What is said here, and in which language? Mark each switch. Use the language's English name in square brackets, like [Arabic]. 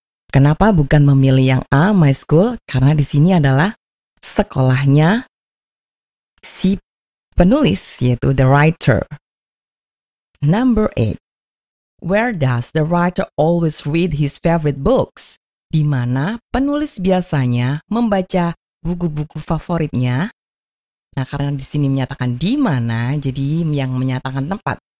[Indonesian] Kenapa bukan memilih yang A, [English] my school? [Indonesian] Karena di sini adalah sekolahnya si penulis, yaitu [English] the writer. Number 8. Where does the writer always read his favorite books? [Indonesian] Di mana penulis biasanya membaca buku-buku favoritnya? Nah, karena di sini menyatakan di mana, jadi yang menyatakan tempat.